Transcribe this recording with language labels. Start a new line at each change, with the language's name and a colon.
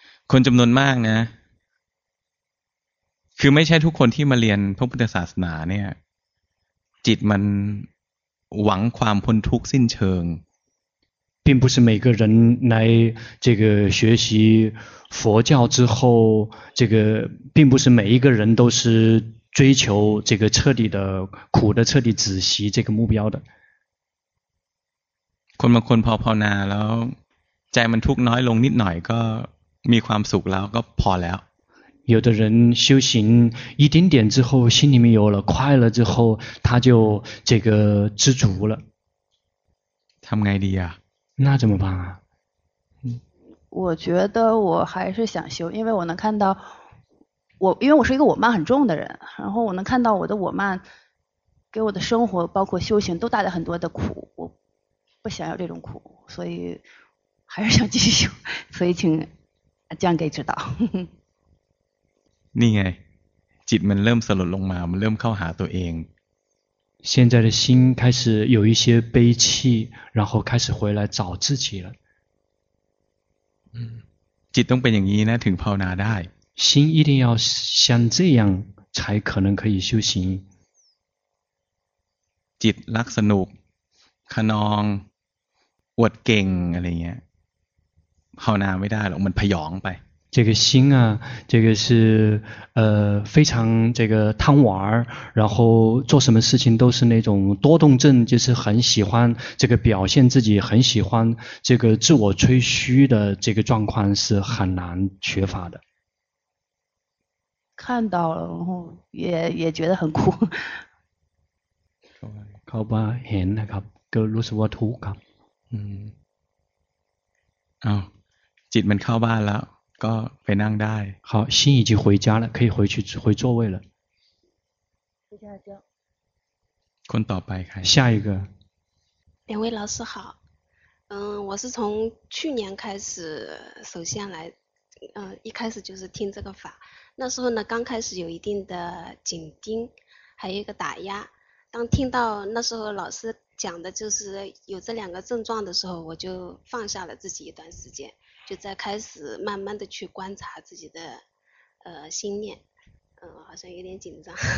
Thai: คนจำนวนมากนะคือไม่ใช่ทุกคนที่มาเรียนพระพุทธศาสนาเนี่ยจิตมันหวังความพ้นทุกข์สิ้นเชิง
Chinese: 并不是每个人来这个学习佛教之后这个并不是每一个人都是追求这个彻底的苦的彻底止息这个目标的
Thai: คนบางคนพอภาวนาแล้วใจมันทุกข์น้อยลงนิดหน่อยก็มีความสุขแล้วก็พอแล้ว
Chinese: 有的人修行一丁点之后心里面有了快乐之后他就这个知足了
Thai: ทำไงดีอ่ะ
Chinese: 那怎么办啊？我觉得我还是想修，因为我能看到因为我是一个我慢很重的人，然后我能看到我的我慢给我的生活包括修行都带来很多的苦，我不想要这种苦，所以还是想继续修，所以请江给指导。你看，
Thai: จิตมันเริ่มสลดลงมา，มันเริ่มเข้าหาตัวเอง。
Chinese: 现在的心开始有一些悲戚然后开始回来找自己了
Thai: จิตต้องเป็นอย่างนี้นะถึงภาวนาได้
Chinese: 心一定要像这样才可能可以修行
Thai: จิตรักสนุกคะนองอวดเก่งอะไรเงี้ยภาวนาไม่ได้หรอกมันผยองไป
Chinese: 这个心啊这个是非常这个贪玩然后做什么事情都是那种多动症就是很喜欢这个表现自己很喜欢这个自我吹嘘的这个状况是很难缺乏的。看到了然后也觉得很苦。好吧很那个个路是我图卡。
Thai: จิตมันเข้าบ้านแล้วก็ไปนั่งได้
Chinese: 好心已经回家了可以回去回座位了
Thai: คนต่อไปใคร
Chinese: 下一个两位老师好我是从去年开始首先来一开始就是听这个法那时候呢刚开始有一定的紧盯还有一个打压当听到那时候老师讲的就是有这两个症状的时候我就放下了自己一段时间就在开始慢慢的去观察自己的心念好像有点紧张